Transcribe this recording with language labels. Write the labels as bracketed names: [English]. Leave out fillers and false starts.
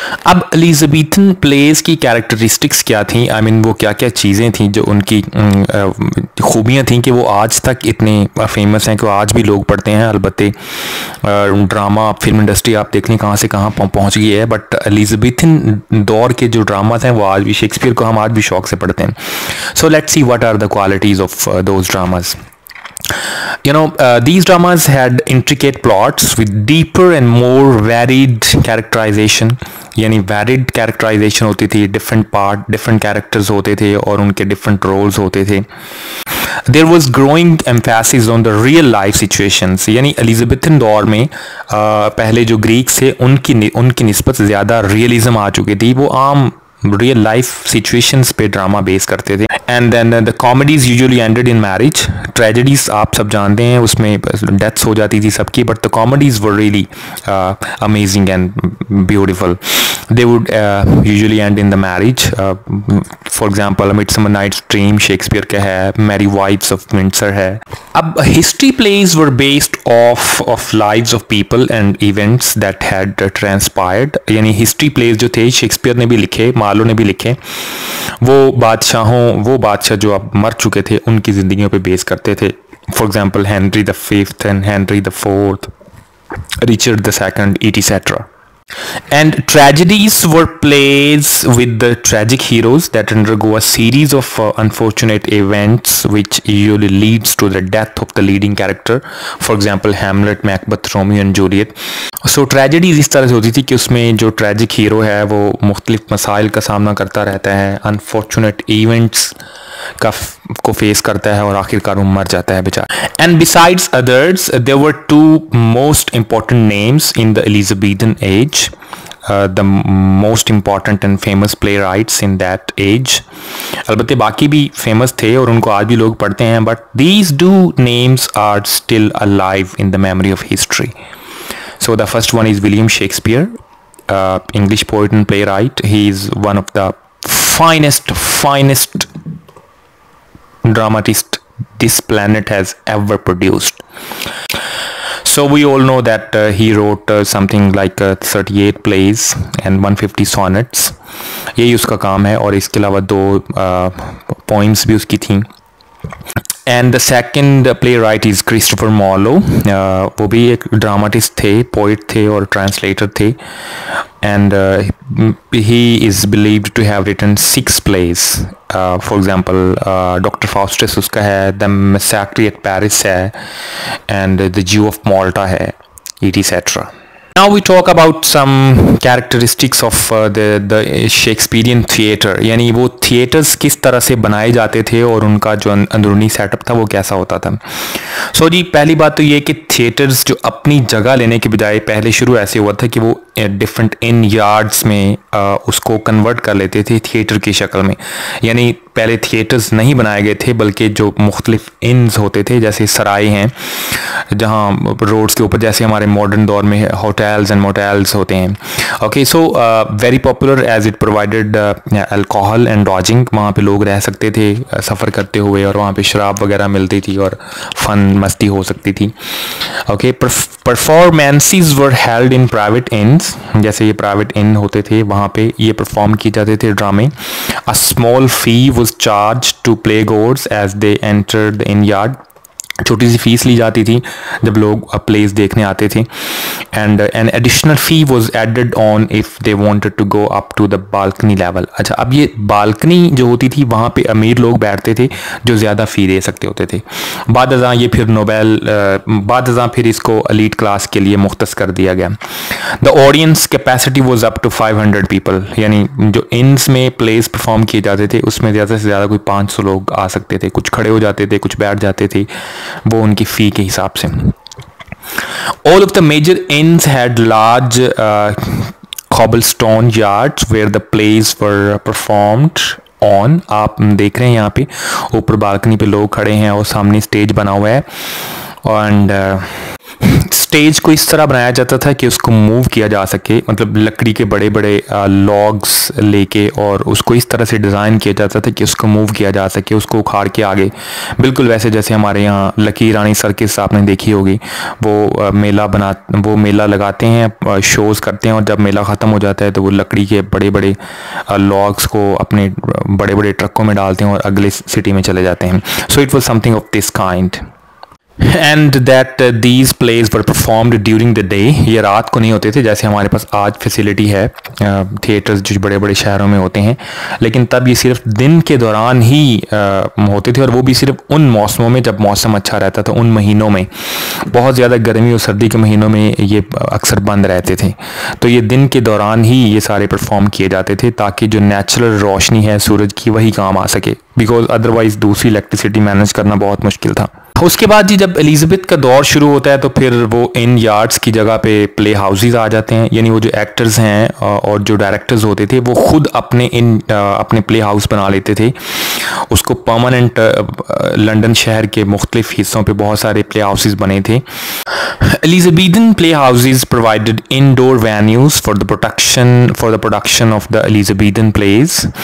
[Urdu] اب الیزابیتھن پلیز کی کیریکٹرسٹکس کیا تھیں, آئی مین وہ کیا کیا چیزیں تھیں جو ان کی خوبیاں تھیں کہ وہ آج تک اتنے فیمس ہیں کہ وہ آج بھی لوگ پڑھتے ہیں. البتہ ڈرامہ فلم انڈسٹری آپ دیکھ لیں کہاں سے کہاں پہنچ گئی ہے, بٹ الیزابیتھن دور کے جو ڈراماز ہیں وہ آج بھی شیکسپیئر کو ہم آج بھی شوق سے پڑھتے ہیں. [English] So let see what are the qualities of those dramas. You know, these dramas had intricate plots with deeper and more varied characterization. [Urdu] یعنی ویریڈ کیریکٹرائزیشن ہوتی تھی, ڈفرنٹ پارٹ ڈفرنٹ کیریکٹرز ہوتے تھے اور ان کے ڈفرنٹ رولز ہوتے تھے. [English] there was growing emphasis on the real life situations, [Urdu] یعنی الیزابیتھن دور میں پہلے جو گریکس تھے ان کی نسبت زیادہ ریئلزم آ چکی تھی, وہ عام ریئل لائف سچویشنس پہ ڈرامہ بیس کرتے تھے. [English] and then the comedies usually ended in marriage, tragedies [Urdu] آپ سب جانتے ہیں اس میں ڈیتھس ہو جاتی تھی سب کی, [English] But the comedies were really amazing and beautiful. They would usually end in the marriage, for example midsummer night's dream Shakespeare کا ہے, merry wives of Windsor ہے. [Urdu] اب [English] history plays were based of lives of people and events that had transpired, [Urdu] یعنی history please جو تھے Shakespeare نے بھی لکھے, مالو نے بھی لکھے, وہ بادشاہ جو اب مر چکے تھے ان کی زندگیوں پہ بیس کرتے تھے. [English] For example Henry the fifth and Henry the fourth, Richard the second, etcetera. And tragedies were plays with the tragic heroes that undergo a series of unfortunate events which usually leads to the death of the leading character, for example Hamlet, Macbeth, Romeo and Juliet. [Urdu] So tragedies اس طرح سے ہوتی تھی کہ اس میں جو tragic hero ہے وہ مختلف مسائل کا سامنا کرتا رہتا ہے, انفارچونیٹ ایونٹس کو فیس کرتا ہے اور آخر کار مر جاتا ہے بیچارہ. [English] And besides others there were two most important names in the Elizabethan age, the most important and famous playwrights in that age. [Urdu] البتہ باقی بھی فیمس تھے اور ان کو آج بھی لوگ پڑھتے ہیں, [English] But these two names are still alive in the memory of history. So the first one is William Shakespeare, English poet and playwright. He is one of the finest dramatist this planet has ever produced. So we all know that he wrote something like 38 plays and 150 sonnets. [Urdu] Yehi uska kaam hai aur iske alawa do poems bhi uski thi. [English] And the second playwright is Christopher Marlowe. [Urdu] Wo bhi ek dramatist the, poet the aur translator the, [English] and he is believed to have written 6 plays. For example Doctor Faustus اس کا ہے, the massacre at Paris ہے, and the Jew of Malta ہے, etcetera. Now we talk about some characteristics of the Shakespearean theatre, [Urdu] یعنی وہ theatres کس طرح سے بنائے جاتے تھے اور ان کا جو اندرونی سیٹ اپ تھا وہ کیسا ہوتا تھا. سو جی, پہلی بات تو یہ کہ تھیٹرس جو اپنی جگہ لینے کے بجائے پہلے شروع ایسے ہوا تھا کہ وہ ڈفرنٹ ان یارڈس میں اس کو کنورٹ کر لیتے تھے تھیٹر کی شکل میں. یعنی پہلے تھیٹرز نہیں بنائے گئے تھے بلکہ جو مختلف انز ہوتے تھے, جیسے سرائے ہیں جہاں روڈز کے اوپر, جیسے ہمارے ماڈرن دور میں ہوٹلز اینڈ موٹیلز ہوتے ہیں. Okay, [English] so very popular as it provided alcohol and lodging, [Urdu] وہاں پہ لوگ رہ سکتے تھے سفر کرتے ہوئے اور وہاں پہ شراب وغیرہ ملتی تھی اور فن مستی ہو سکتی تھی. Okay, [English] performances were held in private inns, [Urdu] جیسے یہ پرائیویٹ ان ہوتے تھے وہاں پہ یہ پرفارم کیے جاتے تھے ڈرامے. [English] Small fee was charged to playgoers as they entered the inn yard. [Urdu] چھوٹی سی فیس لی جاتی تھی جب لوگ پلیز دیکھنے آتے تھے. [English] And an additional fee was added on if they wanted to go up to the balcony level. [Urdu] اچھا اب یہ بالکنی جو ہوتی تھی وہاں پہ امیر لوگ بیٹھتے تھے جو زیادہ فی دے سکتے ہوتے تھے. بعد ازاں یہ پھر نوبیل بعد ازاں پھر اس کو الیٹ کلاس کے لیے مختص کر دیا گیا. [English] the audience capacity was up to 500 people, [Urdu] یعنی جو انس میں پلیز پرفارم کیے جاتے تھے اس میں زیادہ سے زیادہ کوئی 500 لوگ آ سکتے تھے. کچھ کھڑے ہو جاتے تھے, کچھ بیٹھ جاتے تھے, وہ ان کی فی کے حساب سے. [English] All of the major inns had large cobblestone yards where the plays were performed on. [Urdu] آپ دیکھ رہے ہیں یہاں پہ اوپر بالکنی پہ لوگ کھڑے ہیں اور سامنے اسٹیج بنا ہوا ہے. اینڈ اسٹیج کو اس طرح بنایا جاتا تھا کہ اس کو موو کیا جا سکے, مطلب لکڑی کے بڑے بڑے لاگس لے کے, اور اس کو اس طرح سے ڈیزائن کیا جاتا تھا کہ اس کو موو کیا جا سکے, اس کو اکھاڑ کے آگے, بالکل ویسے جیسے ہمارے یہاں لکی رانی سرکس آپ نے دیکھی ہوگی, وہ میلہ لگاتے ہیں, شوز کرتے ہیں, اور جب میلہ ختم ہو جاتا ہے تو وہ لکڑی کے بڑے بڑے لاگس کو اپنے بڑے بڑے ٹرکوں میں ڈالتے ہیں اور اگلے سٹی میں چلے جاتے ہیں. [English] So it was something of this kind. And that these plays were performed during the day. [Urdu] یہ رات کو نہیں ہوتے تھے جیسے ہمارے پاس آج فیسیلٹی ہے تھیٹرز جو بڑے بڑے شہروں میں ہوتے ہیں, لیکن تب یہ صرف دن کے دوران ہی ہوتے تھے, اور وہ بھی صرف ان موسموں میں جب موسم اچھا رہتا تھا, ان مہینوں میں بہت زیادہ گرمی اور سردی کے مہینوں میں یہ اکثر بند رہتے تھے. تو یہ دن کے دوران ہی یہ سارے پرفارم کیے جاتے تھے تاکہ جو نیچرل روشنی ہے سورج کی وہی کام آ سکے, بیکاز ادروائز دوسری الیکٹریسٹی مینج کرنا بہت مشکل تھا. اس کے بعد جی جب الیزابتھ کا دور شروع ہوتا ہے تو پھر وہ ان یارڈز کی جگہ پہ پلے ہاؤسز آ جاتے ہیں, یعنی وہ جو ایکٹرز ہیں اور جو ڈائریکٹرز ہوتے تھے وہ خود اپنے ان اپنے پلے ہاؤس بنا لیتے تھے, اس کو پرماننٹ. لنڈن شہر کے مختلف حصوں پہ بہت سارے پلے ہاؤسز بنے تھے. [English] Elizabethan playhouses provided indoor venues for the production of the Elizabethan plays.